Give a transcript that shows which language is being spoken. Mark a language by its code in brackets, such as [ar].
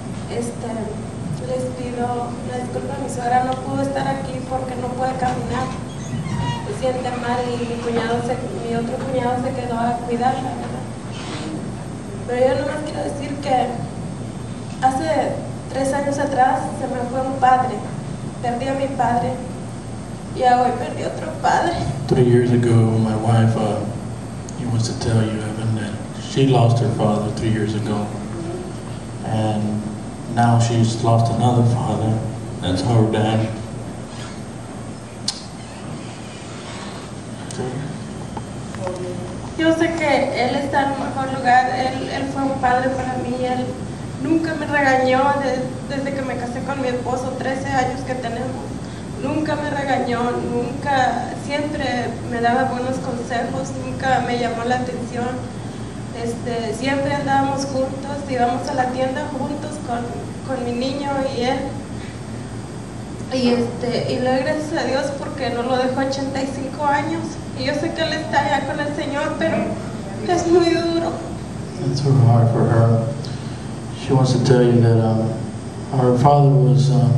[es] Les pido la disculpa, mi suegra no pudo estar aquí porque no puede caminar, se siente mal, y mi otro cuñado se quedó a cuidarla, ¿verdad? Pero yo nomás quiero decir que hace 3 años atrás se me fue un padre, perdí a mi padre. [en] Three years ago, my wife, he wants to tell you, Evan, that she lost her father 3 years ago, and now she's lost another father. That's her dad. [es] Yo sé que él está en un mejor lugar. Él fue un padre para mí. Él nunca me regañó desde que me casé con mi esposo, 13 años que tenemos. Nunca me regañó, nunca, siempre me daba buenos consejos, nunca me llamó la atención. Siempre andábamos juntos, íbamos a la tienda juntos con mi niño y él. Y le doy gracias a Dios porque no lo dejó 85 años. Y yo sé que él está allá con el Señor, pero es muy duro. [en] It's so hard for her. She wants to tell you that her father was...